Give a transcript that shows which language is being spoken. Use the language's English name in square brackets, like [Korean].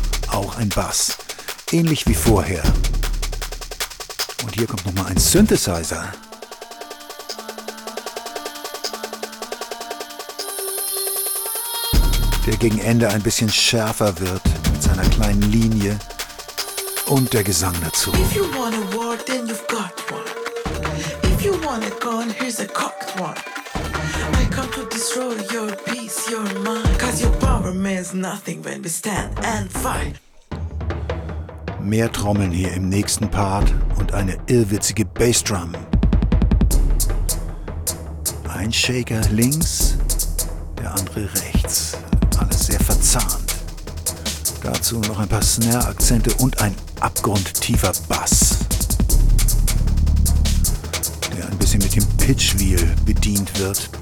[German] Auch ein Bass, ähnlich wie vorher. Und hier kommt nochmal ein Synthesizer. Der gegen Ende ein bisschen schärfer wird mit seiner kleinen Linie und der Gesang dazu. [English] If you want a war, then you've got one. If you want a gun, here's a cocked one. I come to destroy your peace, your mind. Cause your power means nothing when we stand and fight. [German] Mehr Trommeln hier im nächsten Part und eine irrwitzige Bassdrum. Ein Shaker links, der andere rechts. Alles sehr verzahnt. Dazu noch ein paar Snare-Akzente und ein abgrundtiefer Bass, der ein bisschen mit dem Pitch-Wheel bedient wird.